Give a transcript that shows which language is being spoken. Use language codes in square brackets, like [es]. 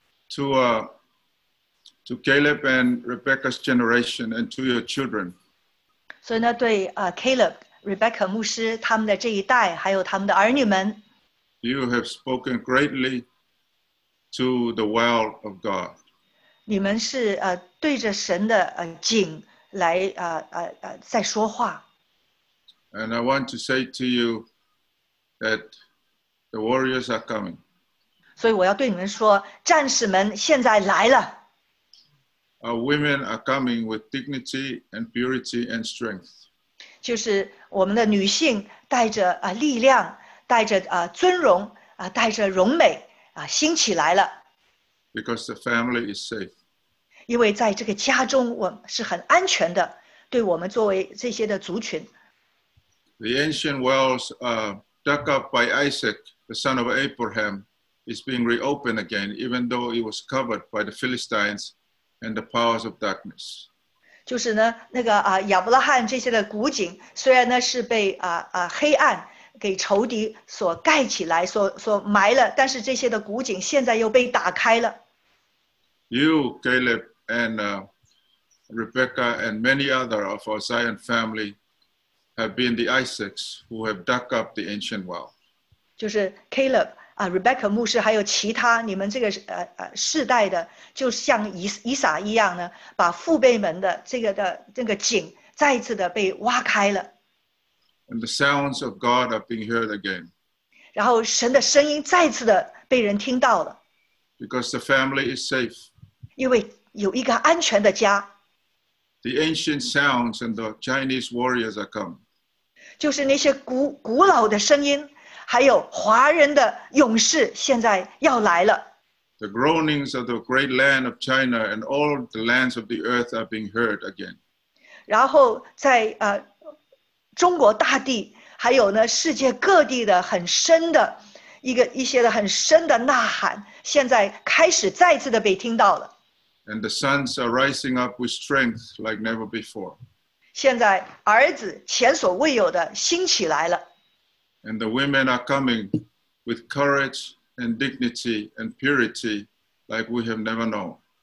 [en] To Caleb and Rebecca's generation and to your children. So, [zh] 呢对Caleb, Rebecca 牧师他们的这一代还有他们的儿女们 [en] You have spoken greatly to the well of God. [zh] 你们是对着神的井来在说话 [en] And I want to say to you that the warriors are coming. [zh] 所以我要对你们说，战士们现在来了。 [en] Our women are coming with dignity and purity and strength. [zh] 就是我们的女性带着力量，带着尊荣带着荣美兴起来了。 [en] Because the family is safe. [zh] 因为在这个家中，我们是很安全的。对我们作为这些的族群。 [en] The ancient wells are dug up by Isaac, the son of Abraham. It's being reopened again, even though it was covered by the Philistines and the powers of darkness. [zh] 就是呢，那个亚伯拉罕这些的古井，虽然呢是被黑暗给仇敌所盖起来，所埋了，但是这些的古井现在又被打开了。 [en] You, Caleb, and Rebecca, and many other of our Zion family have been the Isaacs who have dug up the ancient well. [zh] 就是 Caleb. Rebecca 牧师还有其他你们这个世代的，就像以撒一样呢，把父辈们的这个井再一次的被挖开了。 [en] And the sounds of God are being heard again. [zh] 然后神的声音再次的被人听到了。 [en] Because the family is safe. [zh] 因为有一个安全的家。 [en] The ancient sounds and the Chinese warriors are come. [zh] 就是那些古老的声音。还有华人的勇士现在要来了。 [en] The groanings of the great land of China and all the lands of the earth are being heard again. [zh] 然后在中国大地，还有呢世界各地的很深的一些的很深的呐喊，现在开始再次的被听到了。 [en] And the sons are rising up with strength like never before. [zh] 现在儿子前所未有的兴起来了。 [en] And the women are coming with courage and dignity and purity like we have never known.